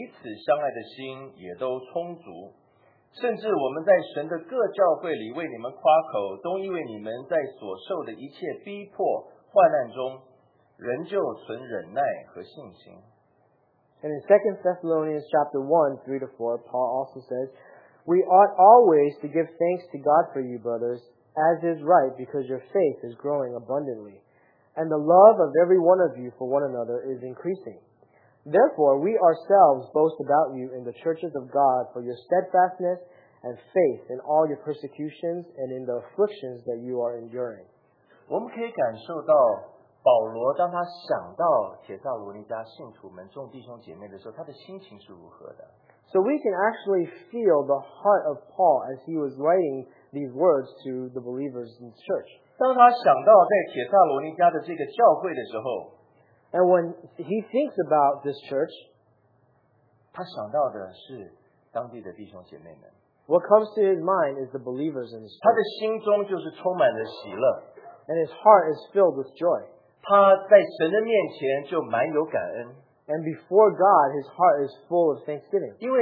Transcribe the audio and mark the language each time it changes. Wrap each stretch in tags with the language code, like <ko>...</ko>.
<zh>最后在帖撒罗尼迦后书第一章三到四节，保罗再次的跟帖撒罗尼迦的信徒们说：“弟兄们，我们该为你们常常的感谢神，这本是合宜的，因为你们的信心格外增长，并且你们众人彼此相爱的心也都充足。” 甚至我们在神的各教会里为你们夸口，都因为你们在所受的一切逼迫患难中，仍旧存忍耐和信心。</zh> <en>And in 2 Thessalonians chapter 1, 3-4, Paul also says, We ought always to give thanks to God for you, brothers, as is right, because your faith is growing abundantly, and the love of every one of you for one another is increasing. Therefore, we ourselves boast about you in the churches of God for your steadfastness and faith in all your persecutions and in the afflictions that you are enduring.</en> <zh>我们可以感受到保罗当他想到帖撒罗尼迦信徒们众弟兄姐妹的时候，他的心情是如何的。</zh> <en>So we can actually feel the heart of Paul as he was writing these words to the believers in the church.</en> <zh>当他想到在帖撒罗尼迦的这个教会的时候,</zh> <en>and when he thinks about this church,</en> <zh>他想到的是当地的弟兄姐妹们。</zh> <en>What comes to his mind is the believers in his church.</en> <zh>他的心中就是充满了喜乐,</zh> <en>and his heart is filled with joy.</en> <zh>他在神的面前就满有感恩,</zh> <en>and before God, his heart is full of thanksgiving.</en>